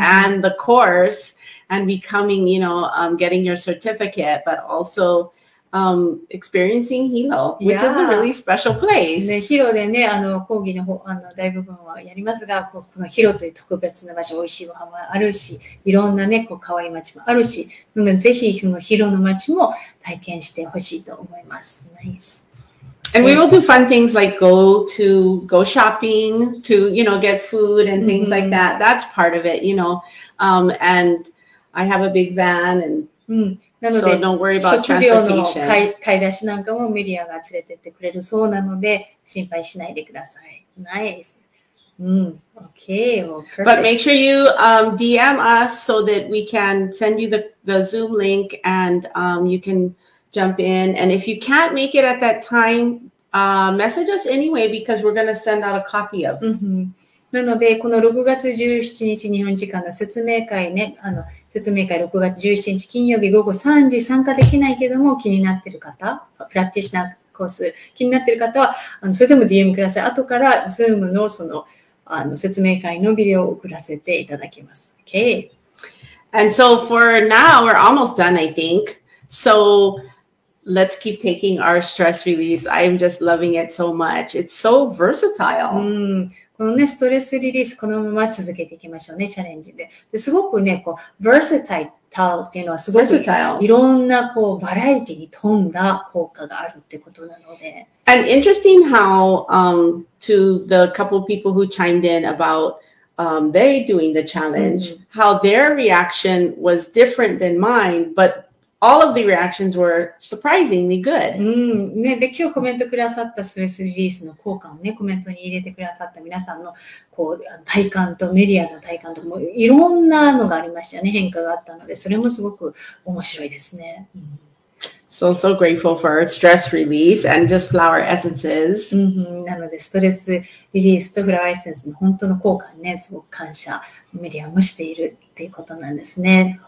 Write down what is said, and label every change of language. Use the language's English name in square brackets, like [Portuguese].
[English] and the course and becoming, you know,、getting your certificate, but also... experiencing Hilo, which、yeah. is a really special place. [Japanese] Hilo でね、講義の大部分はやりますが、この Hilo という特別な場所、美味しいご飯もあるし、いろんなね、可愛い街もあるし、ぜひその Hilo の街も体験してほしいと思います。 [English] Nice. And we will do fun things like go shopping to, you know, get food and things、mm-hmm. like that. That's part of it, you know.、And I have a big van and So don't worry about transportation. [Japanese] 食料の買い出しなんかもメリアが連れてってくれるそうなので心配しないでください。 [English] Nice. Okay. Well, but make sure you DM us so that we can send you the Zoom link and you can jump in. And if you can't make it at that time, message us anyway because we're going to send out a copy of.、 [Japanese] なのでこの6月17日日本時間の説明会ね説明会6月17日金曜日午後3時参加できないけども気になっている方プラクティショナーコース気になっている方はそれでも DM ください後から Zoom のその説明会のビデオを送らせていただきます OK [English] And so for now we're almost done I think So let's keep taking our stress release I'm just loving it so much It's so versatile、 [Japanese] このね、ストレスリリース、このまま続けていきましょうね、チャレンジで。ですごくね、versatile っていうのはすごくいろんなバラエティに富んだ効果があるってことなので。 [English] And interesting how, to the couple people who chimed in about, they doing the challenge,、mm-hmm. how their reaction was different than mine, butAll of the reactions were surprisingly good.、 [Japanese] ね、で今日コメントくださったストレスリリースの効果を、ね、コメントに入れてくださった皆さんの体感とメディアの体感ともいろんなのがありましたね。変化があったので、それもすごく面白いですね。 [English] So, so grateful for stress release and just flower essences. [Japanese] なので、ストレスリリースとフラワーエッセンスの本当の効果に、ね、すごく感謝、メディアもしている。ということなんですね。